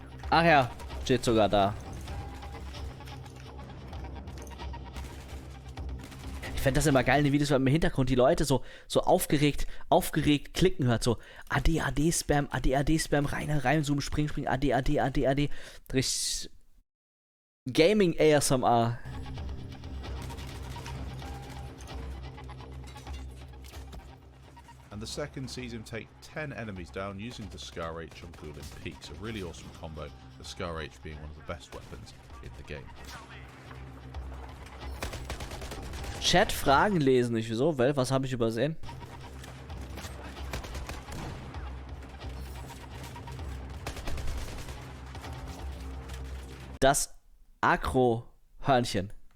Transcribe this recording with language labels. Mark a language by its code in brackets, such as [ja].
[de] Ach ja, steht sogar da. Ich fände das immer geil in den Videos, weil im Hintergrund die Leute so aufgeregt klicken hört. So AD, AD, Spam, AD, AD, Spam, rein, Zoom, Spring, AD, AD, AD, AD. Richtig Gaming ASMR. [en] And the second sees him take 10 enemies down using the Scar H on Ghoulin Peaks. A really awesome combo, the Scar H being one of the best weapons in the game. [de] Chat Fragen lesen, nicht wieso? Weil, was habe ich übersehen? Das Akro-Hörnchen.